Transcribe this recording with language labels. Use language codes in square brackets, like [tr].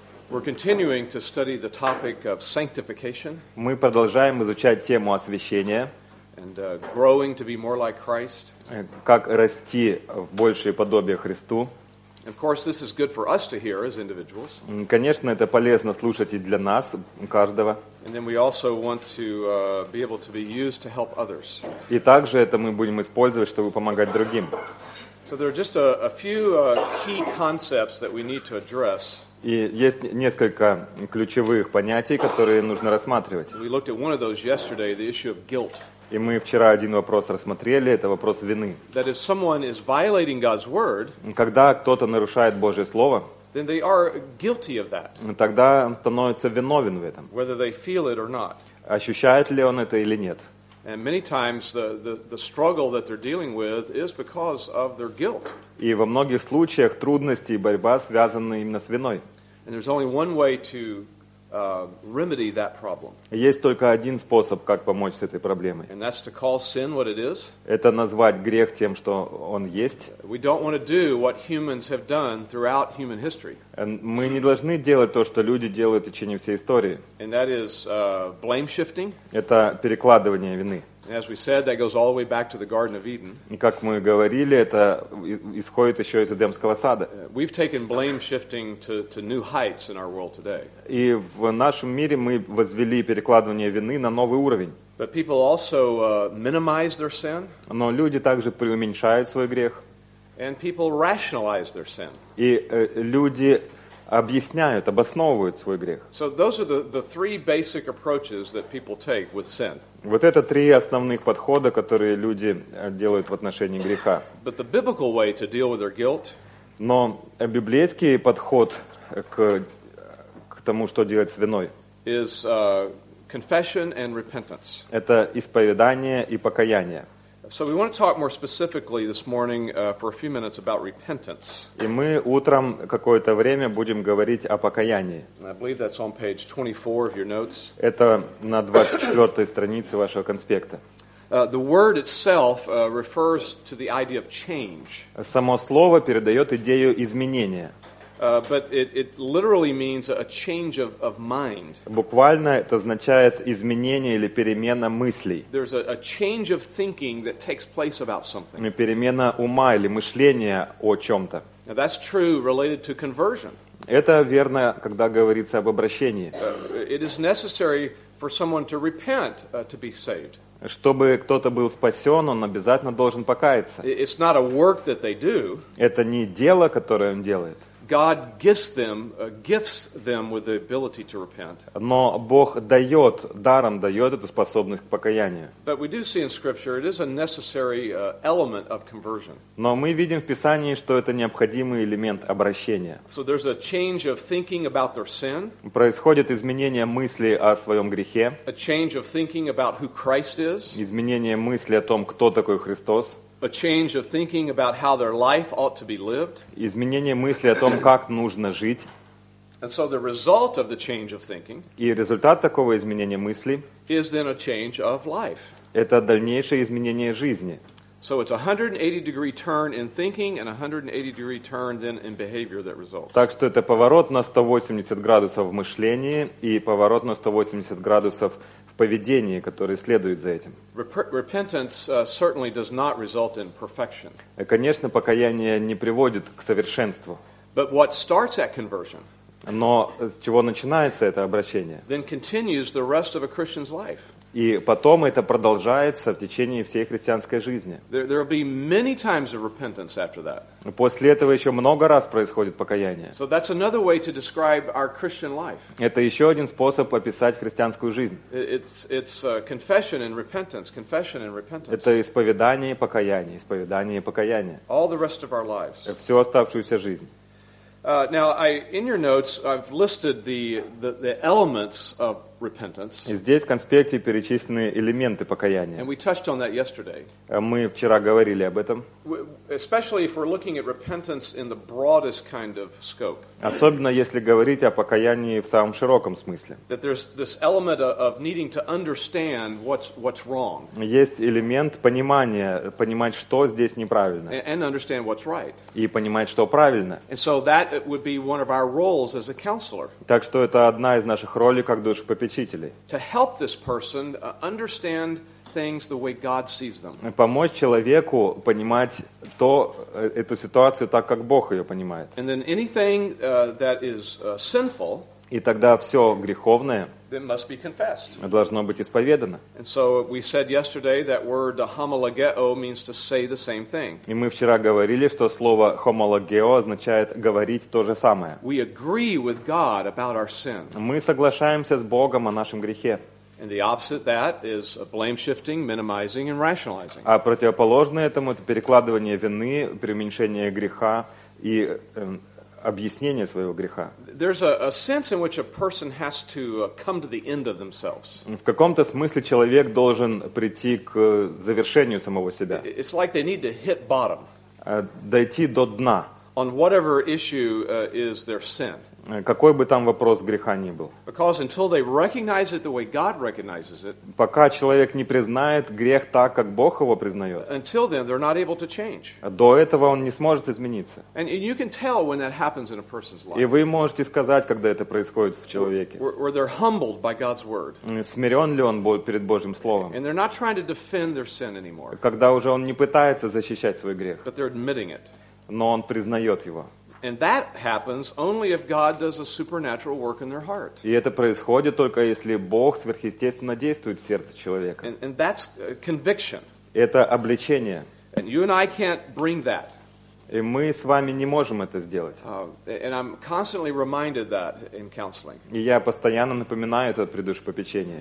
[en] We're continuing to study the topic of sanctification. [ru] Мы продолжаем изучать тему освящения. [en] And growing to be more like Christ. [ru] Как расти в большее подобие Христу. [en] Of course, this is good for us to hear as individuals. [ru] Конечно, это полезно слушать и для нас, каждого. [en] And then we also want to be able to be used to help others. [ru] И также это мы будем использовать, чтобы помогать другим. [en] So there are just a few key concepts that we need to address. [ru] И есть несколько ключевых понятий, которые нужно рассматривать. [en] We looked at one of those yesterday, the issue of guilt. [ru] И мы вчера один вопрос рассмотрели, это вопрос вины. [en] That if someone is violating God's word, [ru] когда кто-то нарушает Божье слово, [en] then they are guilty of that. [ru] Тогда он становится виновен в этом. [en] Whether they feel it or not. [ru] Ощущает ли он это или нет. [en] And many times the struggle that they're dealing with is because of their guilt. [ru] И во многих случаях трудности и борьба связаны именно с виной. [en] And there's only one way to remedy that problem. [ru] Есть только один способ, как помочь с этой проблемой. [en] And that's to call sin what it is. [ru] Это назвать грех тем, что он есть. [en] We don't want to do what humans have done throughout human history. [ru] Мы не должны делать то, что люди делают в течение всей истории. [en] And that is blame shifting. [ru] Это перекладывание вины. [en] And as we said, that goes all the way back to the Garden of Eden. [ru] И как мы говорили, это исходит еще из Эдемского сада. [en] We've taken blame shifting to new heights in our world today. [ru] И в нашем мире мы возвели перекладывание вины на новый уровень. [en] But people also minimize their sin. [ru] Но люди также преуменьшают свой грех. [en] And people rationalize their sin. [ru] И люди объясняют, обосновывают свой грех. [en] So those are the three basic approaches that people take with sin. [ru] Вот это три основных подхода, которые люди делают в отношении греха. [en] But the biblical way to deal with their guilt, [ru] но библейский подход к тому, что делать с виной, [en] is confession and repentance. [ru] Это исповедание и покаяние. [en] So we want to talk more specifically this morning for a few minutes about repentance. [ru] И мы утром какое-то время будем говорить о покаянии. [en] I believe that's on page 24 of your notes. [ru] Это на 24-й странице вашего конспекта. [en] The word itself refers to the idea of change. [ru] Само слово передает идею изменения. [en] But it literally means a change of mind. [ru] Буквально это означает изменение или перемена мыслей. [en] There's a change of thinking that takes place about something. [ru] Перемена ума или мышления о чем-то. [en] Now that's true related to conversion. [ru] Это верно, когда говорится об обращении. [en] It is necessary for someone to repent to be saved. [ru] Чтобы кто-то был спасен, он обязательно должен покаяться. [en] It's not a work that they do. [ru] Это не дело, которое он делает. [en] God gifts them with the ability to repent. [ru] Но Бог дает, даром дает эту способность к покаянию. [en] But we do see in Scripture it is a necessary element of conversion. [ru] Но мы видим в Писании, что это необходимый элемент обращения. [en] So there's a change of thinking about their sin. [ru] Происходит изменение мысли о своем грехе. [en] A change of thinking about who Christ is. [ru] Изменение мысли о том, кто такой Христос. [en] A change of thinking about how their life ought to be lived. [ru] Изменение мысли о том, как нужно жить. [en] And so the result of the change of thinking. [ru] И результат такого изменения мысли. [en] Is then a change of life. [ru] Это дальнейшее изменение жизни. [en] So it's a 180-degree turn in thinking and a 180-degree turn then in behavior that results. [ru] Так что это поворот на 180 градусов в мышлении и поворот на 180 градусов поведение, которое следует за этим. [en] Repentance certainly does not result in perfection. [ru] Конечно, покаяние не приводит к совершенству. [en] But what starts at conversion? [ru] Но с чего начинается это обращение? [en] Then continues the rest of a Christian's life. [ru] И потом это продолжается в течение всей христианской жизни. [en] There will be many times of repentance after that. [ru] После этого еще много раз происходит покаяние. [en] So that's another way to describe our Christian life. [ru] Это еще один способ описать христианскую жизнь. [en] It's confession and repentance, confession and repentance. [ru] Это исповедание и покаяние, исповедание и покаяние. [en] All the rest of our lives. [ru] Всю оставшуюся жизнь. [en] Now, in your notes, I've listed the elements of repentance. [ru] Здесь в конспекте перечислены элементы покаяния. [en] And we touched on that yesterday. [ru] Мы вчера говорили об этом. [en] Especially if we're looking at repentance in the broadest kind of scope. [ru] Особенно если говорить о покаянии в самом широком смысле. [en] That there's this element of needing to understand what's wrong. [ru] Есть элемент понимания, понимать, что здесь неправильно. [en] And understand what's right. [ru] И понимать, что правильно. [en] And so that would be one of our roles as a counselor. [ru] Так что это одна из наших ролей как душепопечителей. [en] To help this person understand things the way God sees them. [ru] Помочь человеку понимать то эту ситуацию так, как Бог ее понимает. [en] And then anything that is sinful. [ru] И тогда все греховное. [en] It must be confessed. [ru] Должно быть исповедано. [en] And so we said yesterday that word homologeo means to say the same thing. [ru] И мы вчера говорили, что слово homologeo означает говорить то же самое. [en] We agree with God about our sin. [ru] Мы соглашаемся с Богом о нашем грехе. [en] And the opposite of that is blame shifting, minimizing, and rationalizing. [ru] А противоположное этому это перекладывание вины, преуменьшение греха и объяснение своего греха. [en] There's a sense in which a person has to come to the end of themselves. [ru] В каком-то смысле человек должен прийти к завершению самого себя. [en] It's like they need to hit bottom. [ru] Дойти до дна. [en] On whatever issue is their sin. [ru] Какой бы там вопрос греха ни был. [en] Because until they recognize it the way God recognizes it. [ru] Пока человек не признает грех так, как Бог его признает. [en] Until then, they're not able to change. [ru] До этого он не сможет измениться. [en] And you can tell when that happens in a person's life. [ru] И вы можете сказать, когда это происходит в человеке. [en] Where they're humbled by God's word. [ru] Смирен ли он перед Божьим словом. [en] And they're not trying to defend their sin anymore. [ru] Когда уже он не пытается защищать свой грех. [en] But they're admitting it. [ru] Но он признает его. [en] And that happens only if God does a supernatural work in their heart. [ru] И это происходит только если Бог сверхъестественно действует в сердце человека. [en] And that's conviction. [ru] Это обличение. [en] And you and I can't bring that. [ru] И мы с вами не можем это сделать. [en] And I'm constantly reminded that in counseling. [ru] И я постоянно напоминаю это при душепопечении.